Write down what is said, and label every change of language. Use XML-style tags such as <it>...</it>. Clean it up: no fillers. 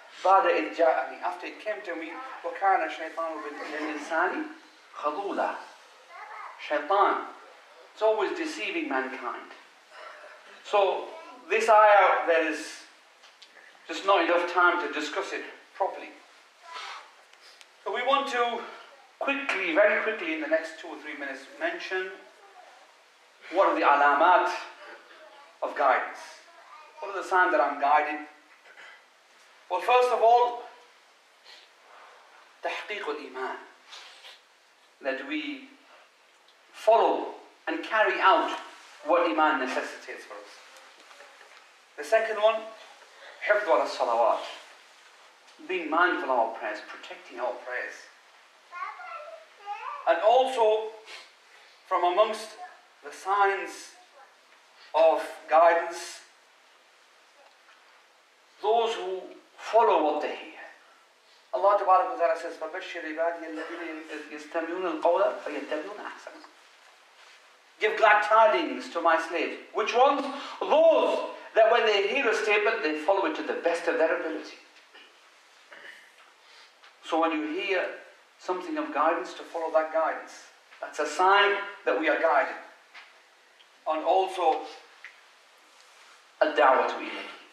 <ar>بَعْدَ إِذْ جَاءَنِي.</ar> <en>After it came to me,</en> <ar>وَكَانَ شَيْطَانُ بِالْإِنْسَانِ خَضُولًا. shaitan.</ar> <en>It's always deceiving mankind. So this ayah, there is just not enough time to discuss it properly. So we want to quickly, very quickly in the next 2 or 3 minutes, mention what are the alamat of guidance. What are the signs that I'm guided? Well, first of all, tahqiq al-iman, that we follow and carry out what iman necessitates for us. The second one, hifd wa salawat, being mindful of our prayers, protecting our prayers. And also, from amongst the signs of guidance, those who follow what they hear. Allah Ta'ala says,</en> <ar>فَبَشِّرْ عِبَادِيَ الَّذِينَ يَسْتَمِعُونَ الْقَوْلَ فَيَتَّبِعُونَ أَحْسَنَ.</ar> <en>Give glad tidings to my slaves. Which ones? Those that when they hear a statement, they follow it to the best of their ability. So when you hear something of guidance, to follow that guidance. That's a sign that we are guided. And also, a da'wah to Imam.</en>